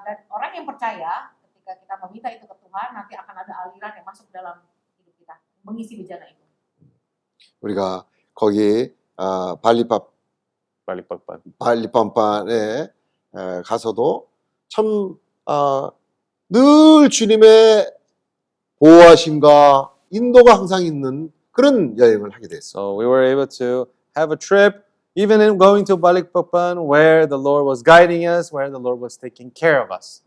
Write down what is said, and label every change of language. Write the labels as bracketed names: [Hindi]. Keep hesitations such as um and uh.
[Indonesian] orang yang percaya ketika kita meminta itu ke Tuhan nanti akan ada aliran yang masuk dalam hidup kita mengisi bejana itu. [Korean] 우리가 거기 어, 발리팝 발리팝반 발리팝반에 어, 가서도 참늘 어, 주님의 보호하심과 인도가 항상 있는 그런 여행을 하게 됐어. [English] Uh, we were able to have a trip even in going to Balikpapan, where the Lord was guiding us, where the Lord was taking care of us.